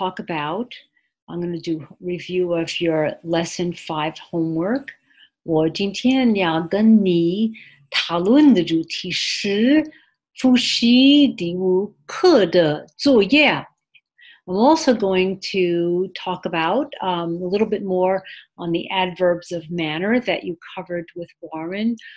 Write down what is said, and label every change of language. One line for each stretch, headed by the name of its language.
English: I'm going to do review of your lesson 5 homework.
Chinese: 我今天要跟你讨论的主题是 复习第五课的作业.
English: I'm also going to talk about a little bit more on the adverbs of manner that you covered with Warren.